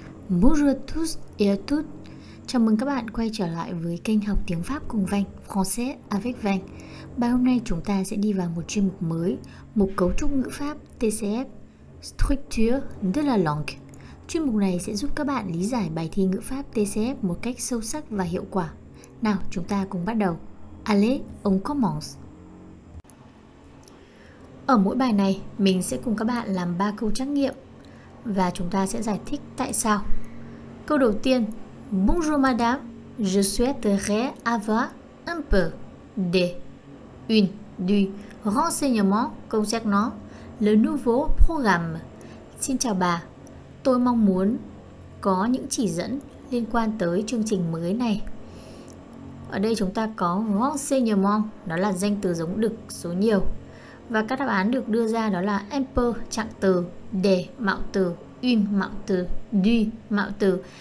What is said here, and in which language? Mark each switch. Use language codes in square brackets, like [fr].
[fr] Bonjour tous et à toutes. [vi] Chào mừng các bạn quay trở lại với kênh học tiếng Pháp cùng Vành, Français avec Vành. Bài hôm nay chúng ta sẽ đi vào một chuyên mục mới, mục cấu trúc ngữ pháp TCF, [fr] Structure de la langue. [vi] Chuyên mục này sẽ giúp các bạn lý giải bài thi ngữ pháp TCF một cách sâu sắc và hiệu quả. Nào, chúng ta cùng bắt đầu. [fr] Allez, on commence. [vi] Ở mỗi bài này, mình sẽ cùng các bạn làm 3 câu trắc nghiệm và chúng ta sẽ giải thích tại sao. Câu đầu tiên: [fr] Bonjour madame, je souhaiterais avoir un peu de une du renseignement concernant le nouveau programme. [vi] Xin chào bà. Tôi mong muốn có những chỉ dẫn liên quan tới chương trình mới này. Ở đây chúng ta có renseignement, đó là danh từ giống đực số nhiều. Và các đáp án được đưa ra đó là un peu trạng từ, để mạo từ, une mạo từ, du mạo từ.